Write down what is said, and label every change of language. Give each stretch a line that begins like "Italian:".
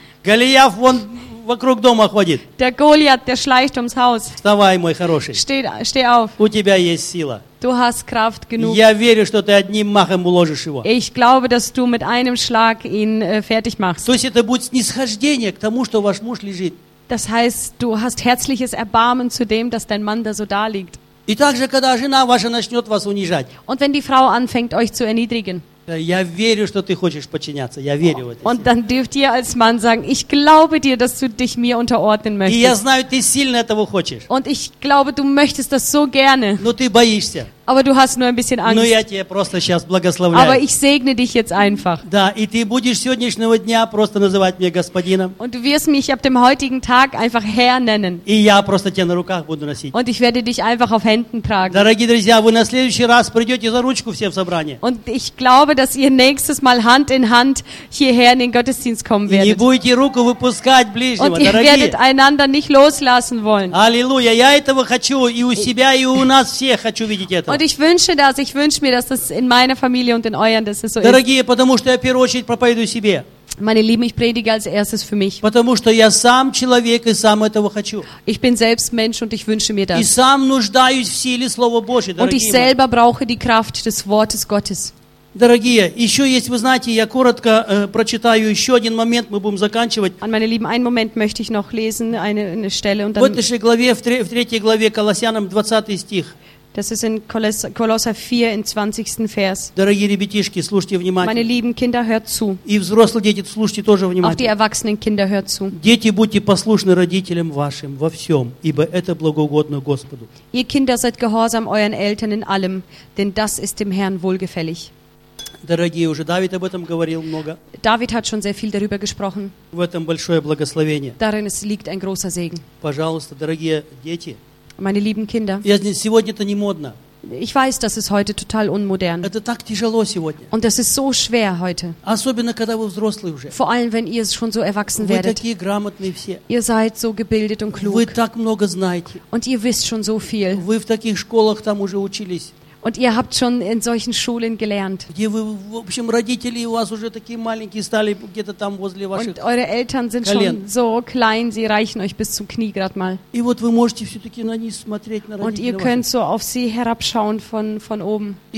Russian: Голиаф вон вокруг дома ходит.
German: Der Goliat, der schleicht ums Haus.
Russian: Вставай, мой хороший.
German: Steh auf.
Russian: У тебя есть сила.
German: Du hast Kraft genug.
Russian: Я верю, что ты одним махом уложишь его.
German: Ich glaube, dass du mit einem Schlag ihn fertig machst.
Russian: То есть это будет снисхождение к тому, что ваш муж лежит.
German: Das heißt, du hast herzliches Erbarmen zu dem, dass dein Mann da so da liegt.
Russian: И также, когда жена ваша начнет вас унижать.
German: Und wenn die Frau anfängt, euch zu erniedrigen.
Russian: Я верю, что ты хочешь подчиняться. Я верю в это.
German: Und dann dürft ihr als Mann sagen, ich glaube dir, dass du dich mir unterordnen möchtest.
Russian: И я знаю, ты сильно этого хочешь.
German: Und ich glaube, du möchtest das so gerne.
Russian: Но ты боишься.
German: Aber du hast nur ein bisschen Angst.
Russian: Но я тебя просто сейчас благословляю.
German: Aber ich segne dich jetzt einfach.
Russian: Да, и ты будешь с сегодняшнего дня просто называть меня господином.
German: Und du wirst mich ab dem heutigen Tag einfach Herr nennen.
Russian: И я просто тебя на руках буду носить.
German: Und ich werde dich einfach auf Händen tragen.
Russian: Дорогие друзья, вы на следующий раз придете за ручку все в собрание.
German: Und ich glaube, dass ihr nächstes Mal Hand in Hand hierher in den Gottesdienst kommen werdet.
Russian: И не будете руку выпускать ближнего,
German: Und ihr
Russian: дорогие.
German: Werdet einander nicht loslassen wollen.
Russian: Аллилуйя, я этого хочу и у себя и у нас всех хочу видеть это.
German: Und ich wünsche das, ich wünsche mir, dass das in meiner Familie und in euren, dass es so
Russian: Дорогие,
German: ist.
Russian: Потому что я в первую очередь проповедую себе.
German: Meine Lieben, ich predige als erstes für mich.
Russian: Потому что я сам человек и сам этого хочу.
German: Ich bin selbst Mensch und ich wünsche mir das.
Russian: И сам нуждаюсь в силе Слова Божьего,
German: Und ich selber brauche die Kraft des Wortes Gottes.
Russian: Дорогие, еще есть, вы знаете, я коротко прочитаю еще один момент, мы будем заканчивать.
German: An meine Lieben, einen Moment möchte ich noch lesen, eine Stelle und dann...
Russian: В этой главе, в третьей главе Колоссянам, 20 стих.
German: Das ist in Kolosser 4, im 20. Vers.
Russian: Дорогие ребятишки, слушайте внимательно.
German: Meine lieben Kinder, hört zu.
Russian: И взрослые дети, слушайте тоже внимательно.
German: Auch die erwachsenen Kinder, hört zu.
Russian: Дети, будьте послушны родителям вашим во всем, ибо это благоугодно Господу.
German: Ihr Kinder, seid gehorsam euren Eltern in allem, denn das ist dem Herrn wohlgefällig.
Russian: Дорогие, уже Давид об этом говорил много.
German: David hat schon sehr viel darüber gesprochen.
Russian: В этом большое благословение.
German: Darin liegt ein großer Segen.
Russian: Пожалуйста, дорогие дети,
German: Meine lieben Kinder, ich weiß, das ist heute total unmodern. Und das ist so schwer heute. Vor allem, wenn ihr schon so erwachsen werdet. Ihr seid so gebildet und klug. Und ihr wisst schon so viel.
Russian: Вы в таких школах там уже учились.
German: Und ihr habt schon in solchen Schulen gelernt. Und eure Eltern sind schon so klein, sie reichen euch bis zum Knie gerade mal. Und ihr könnt so auf sie herabschauen von oben.